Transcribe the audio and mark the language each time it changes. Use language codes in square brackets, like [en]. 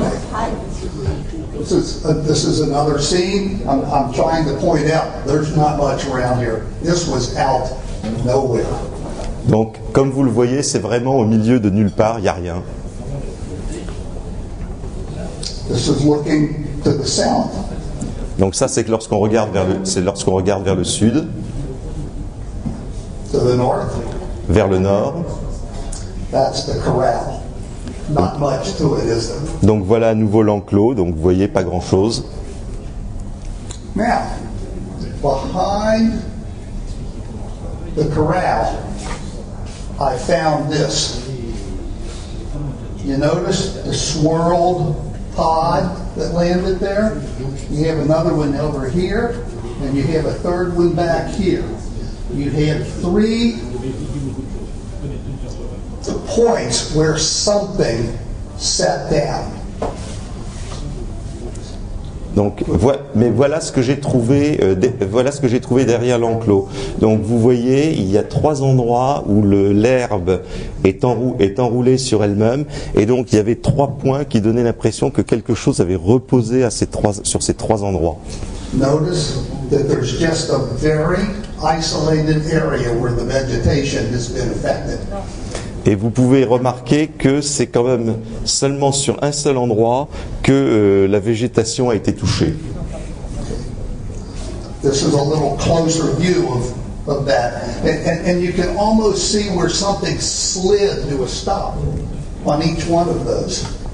[en] This is another scene. I'm trying to point out there's not much around here. This was out nowhere. [fr] Donc, comme vous le voyez, c'est vraiment au milieu de nulle part, il n'y a rien. [en] This is looking to the south. [fr] Donc ça, c'est que lorsqu'on regarde vers le sud. [en] To the north. [fr] Vers le nord. [en] That's the corral. Not much to it, is there? [fr] Donc voilà à nouveau l'enclos, donc vous voyez pas grand chose. [en] Now, behind the corral, I found this. You notice the swirled pod that landed there? You have another one over here, and you have a third one back here. You have three the points where something sat down. [fr] Donc, voilà ce que j'ai trouvé derrière l'enclos. Donc, vous voyez, il y a trois endroits où l'herbe est enroulée sur elle-même, et donc il y avait trois points qui donnaient l'impression que quelque chose avait reposé sur ces trois endroits. [en] Notice that there's just a very isolated area where the vegetation has been affected. [fr] Et vous pouvez remarquer que c'est quand même seulement sur un seul endroit que la végétation a été touchée. [en] This is a little closer view of that. And you can almost see where something slid to a stop on each one of those.